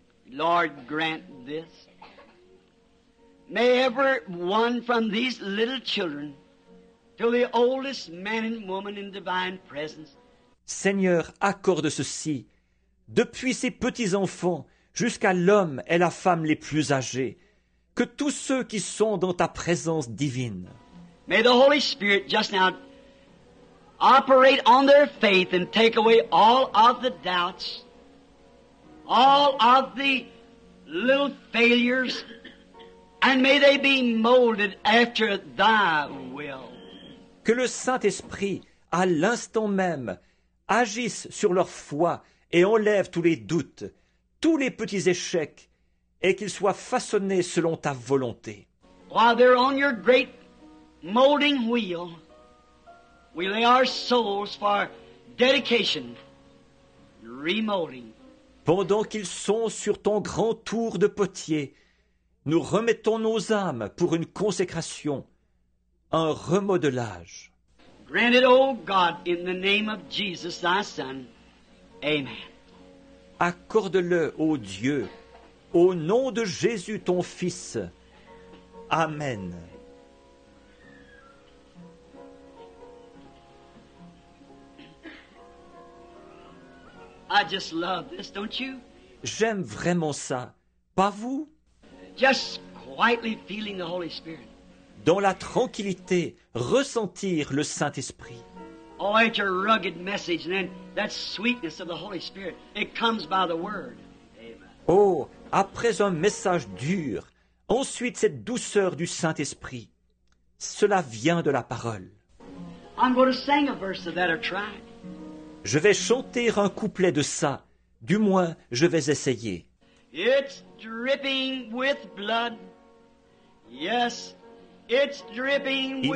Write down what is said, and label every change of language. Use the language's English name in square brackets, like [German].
[English] Lord, grant this. May every one from these little children to the oldest man and woman in divine presence. [French] Seigneur, accorde ceci, depuis ces petits enfants jusqu'à l'homme et la femme les plus âgés, que tous ceux qui sont dans ta présence divine. [English] May the Holy Spirit just now operate on their faith and take away all of the doubts, all of the little failures, And may they be molded after thy will. [French] Que le Saint-Esprit, à l'instant même, agisse sur leur foi et enlève tous les doutes, tous les petits échecs, et qu'ils soient façonnés selon ta volonté. [English] While they're on your great molding wheel, we lay our souls for dedication, remolding. [French] Pendant qu'ils sont sur ton grand tour de potier, nous remettons nos âmes pour une consécration, un remodelage. [English] Grant it, O God, in the name of Jesus, thy Son. Amen. [French] Accorde-le, ô Dieu, au nom de Jésus, ton Fils. Amen. [English] I just love this, don't you? [French] J'aime vraiment ça, pas vous? [English] Just quietly feeling the Holy Spirit. [French] Dans la tranquillité, ressentir le Saint-Esprit. [English] Oh, it's a rugged message, and then that sweetness of the Holy Spirit, it comes by the Word. Amen. [French] Oh, après un message dur, ensuite cette douceur du Saint-Esprit, cela vient de la parole. [English] I'm going to sing a verse of that or try. [French] Je vais chanter un couplet de ça, du moins je vais essayer. [English] It's dripping with blood. Yes, it's dripping with blood.